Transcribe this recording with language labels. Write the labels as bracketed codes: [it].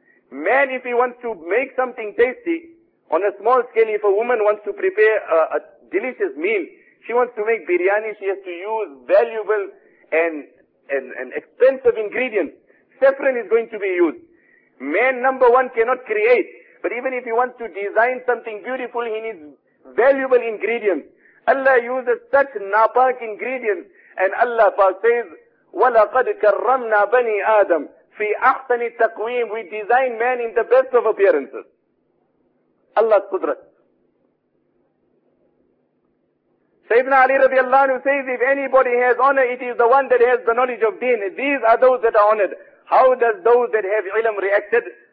[en] Man, if he wants to make something tasty, on a small scale, if a woman wants to prepare a delicious meal, she wants to make biryani, she has to use valuable and expensive ingredients. Saffron is going to be used. Man, number one, cannot create. But even if he wants to design something beautiful, he needs valuable ingredients. Allah uses such napak ingredients. And Allah says, [ar] وَلَقَدْ كَرَّمْنَا بَنِي آدَمْ فِي أَحْسَنِ التَّقْوِيمِ. [en] We design man in the best of appearances. Allah's qudrat. Sayyidina Ali radiallahu anhu says, if anybody has honor, it is the one that has the knowledge of deen. These are those that are honored. How does those that have ilm reacted?